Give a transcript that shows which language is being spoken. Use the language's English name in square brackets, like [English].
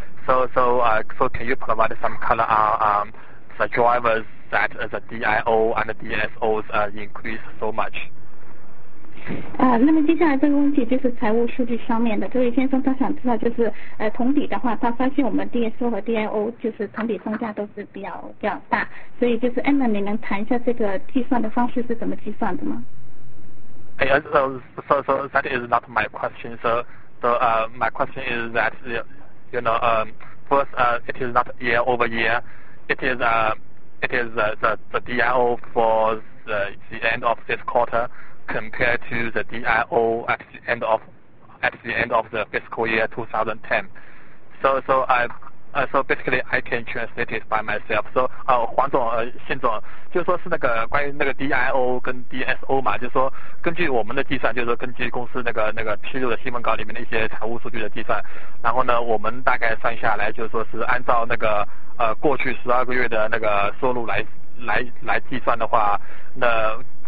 [English] So can you provide some color on the drivers that the DIO and the DSOs increased so much? [Chinese] 那么接下来这个问题就是财务数据上面的，这位先生他想知道就是同比的话他发现我们 DSO 和 DIO 就是同比增加都是比较大，所以就是 Emma 你能谈一下这个计算的方式是怎么计算的吗？ [English] So that is not my question. So my question is that you know first it is not year over year, it is the DIO for the end of this quarter. Compared to the DIO at the end of the fiscal year 2010, so basically I can translate it by myself. [Chinese] So, 黄总，信总，就是说是那个关于那个 DIO 跟 DSO 嘛，就是说根据我们的计算，就是说根据公司那个披露的新闻稿里面的一些财务数据的计算，然后呢，我们大概算下来，就是说是按照那个过去十二个月的那个收入来计算的话，那。